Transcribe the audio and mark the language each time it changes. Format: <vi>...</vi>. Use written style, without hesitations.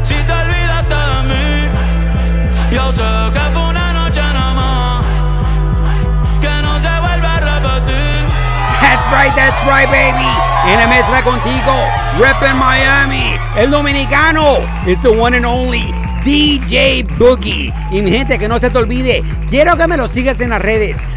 <es>Si te olvidaste de mí, yo sé que fue una noche nada más, que no se vuelve a repetir.</es> <en>That's right, baby.</en> <es>En la mesa contigo, reppin' Miami. El dominicano</es> <en>is the one and only DJ Boogie.</en> <es>Y mi gente, que no se te olvide, quiero que me lo sigas en las redes.</es>